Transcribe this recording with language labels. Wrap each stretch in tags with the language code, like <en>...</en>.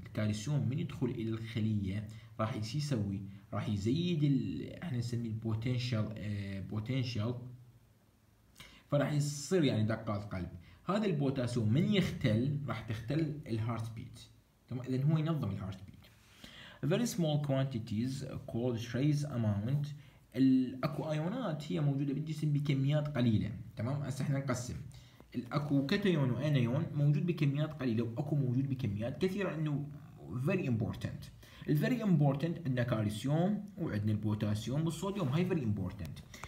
<ar>الكالسيوم من يدخل الى الخليه راح ايش يسوي؟ راح يزيد احنا نسميه البوتنشال، بوتنشال، فراح يصير يعني دقات القلب. هذا البوتاسيوم من يختل راح تختل الهارت بيت، تمام، اذا هو ينظم الهارت بيت.</ar> <en>Very small quantities called trace amount.</en> <ar>الأكو أيونات هي موجودة بالجسم بكميات قليلة، تمام؟ هسه احنا نقسم الأكو كاتيون وأنيون موجود بكميات قليلة وأكو موجود بكميات كثيرة، إنه</ar> <en>very important.</en> <ar>الـ</ar> <en>very important</en> <ar>عندنا كالسيوم وعندنا البوتاسيوم والصوديوم، هاي very important.</ar>